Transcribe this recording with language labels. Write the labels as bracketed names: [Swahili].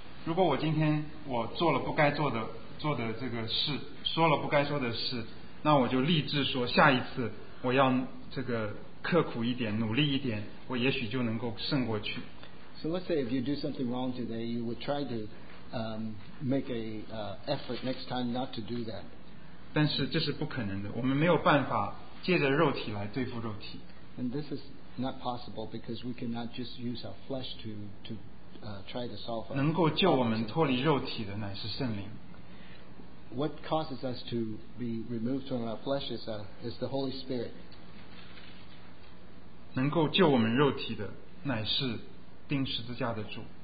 [Chinese] 如果我今天我做了不该做的这个事，说了不该说的事，那我就立志说下一次我要这个刻苦一点，努力一点，我也许就能够胜过去。 [English] So let's say if you do something wrong today, you would try to make an effort next time not to do that. [Chinese] 但是这是不可能的，我们没有办法借着肉体来对付肉体。 [English] And this is not possible because we cannot just use our flesh to try to solve. [Chinese] 能够救我们脱离肉体的乃是圣灵。 [English] What causes us to be removed from our flesh is the Holy Spirit. [Chinese] 能够救我们肉体的乃是钉十字架的主。